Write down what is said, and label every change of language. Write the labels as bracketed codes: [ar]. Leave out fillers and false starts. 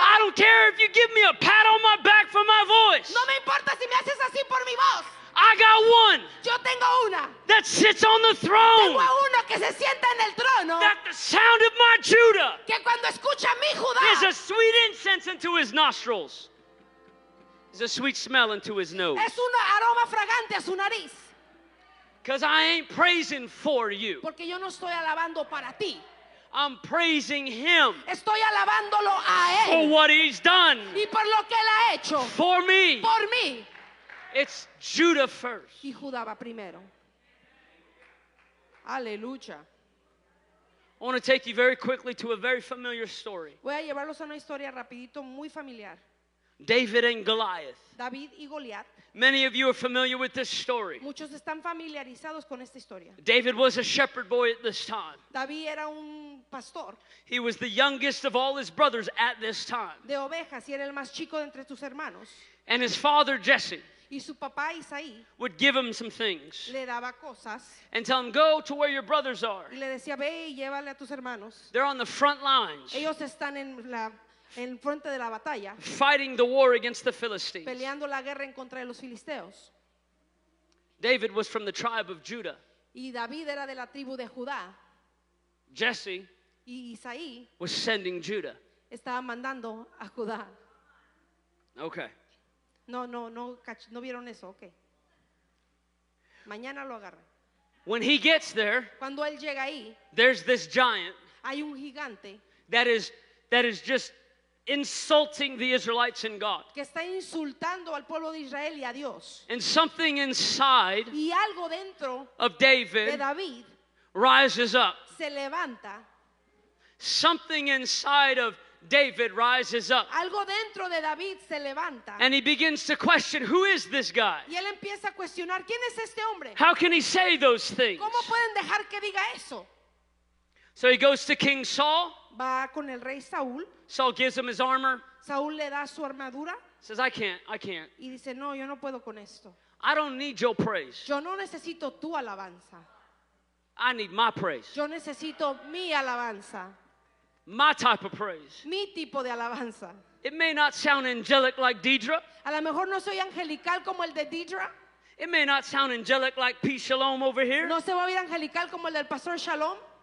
[en] I don't care if you give me a pat on my back for my voice. [es] No me importa si me haces así por mi voz. [en] I got one. [es] Yo tengo una. [en] That sits on the throne. [es] Tengo uno que se sienta en el trono. [en] That the sound of my Judah. [es] Que cuando escucha mi Judá. [en] Is a sweet incense into his nostrils. Is a sweet smell into his nose. [es] Es un aroma fragante a su nariz. [en] Because I ain't praising for you. [es] Porque yo no estoy alabando para ti. [en] I'm praising him. [es] Estoy alabándolo a él. [en] For what he's done. [es] Y por lo que él ha hecho. [en] For me. [es] Por mí. [en] It's Judah first. [es] Y Judá va primero. Aleluya. [en] I want to take you very quickly to a very familiar story. [es] Voy a llevarlos a una historia rapidito muy familiar. [en] David and Goliath. [es] David y Goliath. [en] Many of you are familiar with this story. [es] Muchos están familiarizados con esta historia. [en] David was a shepherd boy at this time. [es] David era un pastor. [en] He was the youngest of all his brothers at this time. [es] De ovejas, y era el más chico de entre sus hermanos. [en] And his father Jesse. [es] Y su papá Isaí. [en] Would give him some things. [es] Le daba cosas. [en] And tell him, go to where your brothers are. [es] Y le decía, ve y llévale a tus hermanos. [en] They're on the front lines. [es] Ellos están en la en frente de la batalla, [en] fighting the war against the Philistines. [es] Peleando la guerra en contra de los filisteos. [en] David was from the tribe of Judah. [es] Y David era de la tribu de Judá. [en] Jesse [es] y Isaí [en] was sending Judah. [es] Estaba mandando a Judá. [en] Okay. [es] No vieron eso, okay. Mañana lo agarra. [en] When he gets there, [es] cuando él llega ahí, [en] there's this giant. [es] Hay un gigante. [en] That is just insulting the Israelites and God. [es] Que está insultando al pueblo de Israel y a Dios. [en] And something inside [es] y algo dentro [en] of David, [es] de David [en] rises up. [es] Se levanta. [en] Something inside of David rises up. [es] Algo dentro de David se levanta. [en] And he begins to question, who is this guy? [es] Y él empieza a cuestionar, ¿quién es este hombre? [en] How can he say those things? [es] ¿Cómo pueden dejar que diga eso? [en] So he goes to King Saul. [es] Va con el rey Saúl. [en] Saul gives him his armor. [es] Saúl le da su armadura. [en] Says, I can't. [es] Y dice, no, yo no puedo con esto. [en] I don't need your praise. [es] Yo no necesito tu alabanza. [en] I need my praise. [es] Yo necesito mi alabanza. [en] My type of praise. [es] Mi tipo de alabanza. [en] It may not sound angelic like Deidre. [es] A lo mejor no soy angelical como el de Deidre. [en] It may not sound angelic like Peace Shalom over here. [es] No se va a oír angelical como el del Pastor Shalom.